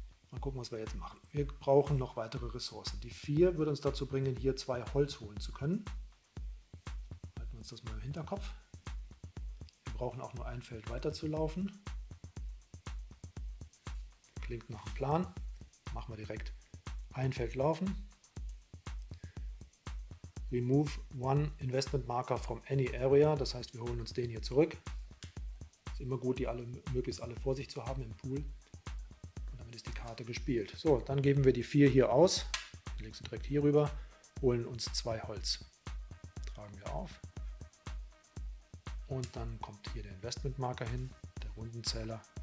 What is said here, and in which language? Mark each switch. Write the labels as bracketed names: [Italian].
[German] Mal gucken, was wir jetzt machen. Wir brauchen noch weitere Ressourcen. Die 4 würde uns dazu bringen, hier 2 Holz holen zu können. Halten wir uns das mal im Hinterkopf. Wir brauchen auch nur ein Feld weiterzulaufen. Klingt nach einem Plan. Machen wir direkt ein Feld laufen. [English] Remove one investment marker from any area. [German] Das heißt, wir holen uns den hier zurück. Ist immer gut, möglichst alle vor sich zu haben im Pool. Und damit ist die Karte gespielt. So, dann geben wir die 4 hier aus. Wir legen sie direkt hier rüber. Holen uns 2 Holz. Tragen wir auf. Und dann kommt hier der Investment Marker hin, der Rundenzähler.